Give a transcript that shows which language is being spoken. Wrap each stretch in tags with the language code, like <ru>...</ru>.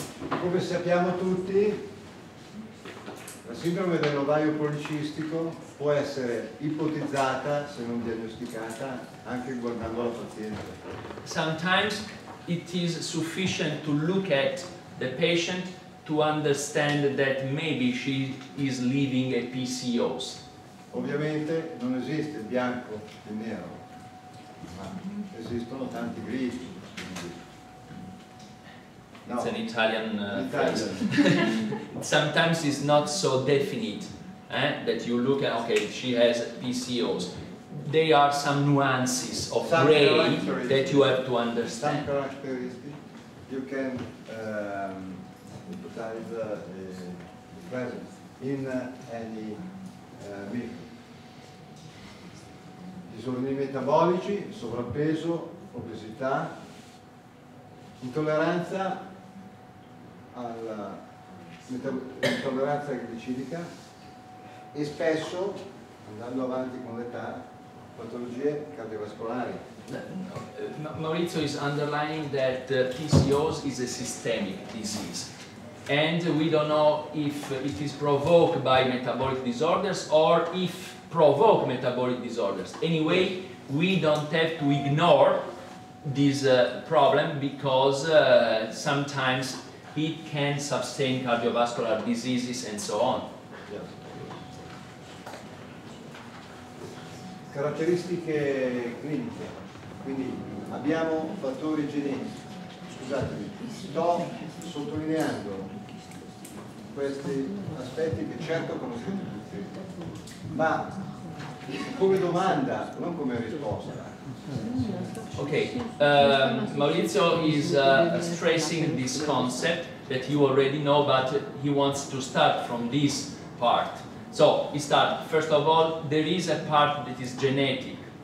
<it>Come sappiamo tutti, la sindrome dell'ovario policistico può essere ipotizzata, se non diagnosticata, anche guardando la paziente.</it> <en>Sometimes it is sufficient to look at the patient to understand that maybe she is living a PCOS.</en> <it>Ovviamente non esiste bianco e nero, ma esistono tanti grigi.</it> <en>No. It's an Italian phrase. Sometimes it's not so definite that you look at, okay, she has PCOS. They are some nuances of some gray that you have to understand. Some characteristics you can hypothesize the presence in any micro.</en> <it>Disordini metabolici, sovrappeso, obesità, intolleranza alla intolleranza glicidica e spesso, andando avanti con l'età, patologie cardiovascolari.</it> <en>Maurizio is underlining that PCOS is a systemic disease. And we don't know if it is provoked by metabolic disorders or if provoke metabolic disorders. Anyway, we don't have to ignore this problem because sometimes it can sustain cardiovascular diseases and so on.</en> <it>Yeah. Caratteristiche cliniche. Quindi abbiamo fattori genetici. Scusatemi, sto sottolineando questi aspetti che certo conoscete tutti, ma come domanda, non come risposta.</it> <en>Okay, Maurizio is stressing this concept that you already know, but he wants to start from this part. So he starts. First of all, there is a part that is genetic.</en>